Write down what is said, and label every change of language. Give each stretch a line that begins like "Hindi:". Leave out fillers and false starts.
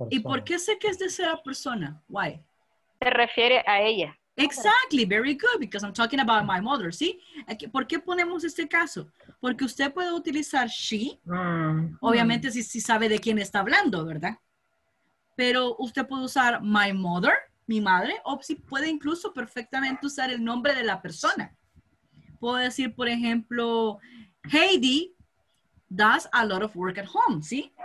Spanish: ¿Y por qué sé que es tercera persona?
English: Why?
Spanish: Se refiere a ella.
English: Exactly, very good, because I'm talking about my mother,
Spanish: ¿sí? ¿Por qué ponemos este caso? Porque usted puede utilizar she, obviamente si sabe de quién está hablando, ¿verdad? Pero usted puede usar my mother, mi madre, o si puede incluso perfectamente usar el nombre de la persona. Puedo decir, por ejemplo,
English: Heidi does a lot of work at home,
Spanish: ¿sí?